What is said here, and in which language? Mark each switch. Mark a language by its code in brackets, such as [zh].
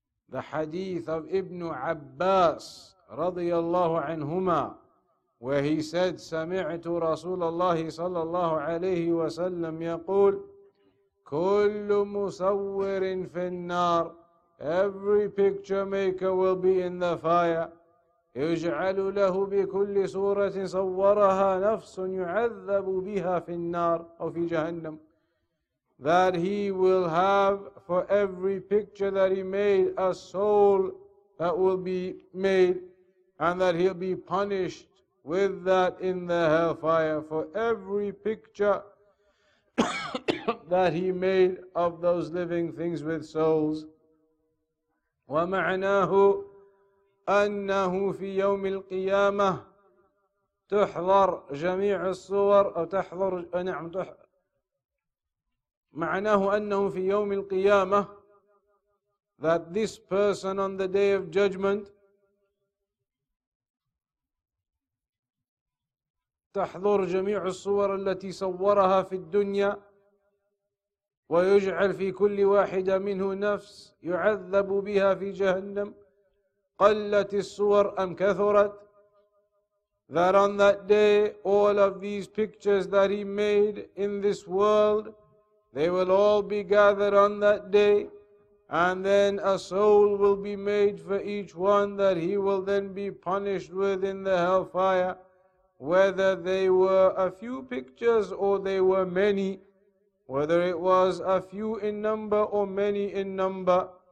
[en] The hadith of Ibn Abbas radiyallahu anhuma, where he said, [ar] سمعت رسول الله صلى الله عليه وسلم يقول كل مصور في النار. [en] Every picture maker will be in the fire. [ar] يجعل له بكل صورة صورها نفس يعذب بها في النار أو في جهنم. [en] That he will have for every picture that he made a soul that will be made, and that he'll be punished with that in the hellfire for every picture that he made of those living things with souls. [ar] ومعناه أنه في يوم القيامة تحضر جميع الصور أو تحضر نعم تحضر معناه أنه في يوم القيامة, [en] that this person on the day of judgment [ar] تحضر جميع الصور التي صورها في الدنيا ويجعل في كل واحدة منه نفس يعذب بها في جهنم. قلت الصور أم كثرت. [en] That on that day all of these pictures that he made in this world, they will all be gathered on that day, And then a soul will be made for each one that he will then be punished with in the hellfire, whether they were a few pictures or they were many, whether it was a few in number or many in number.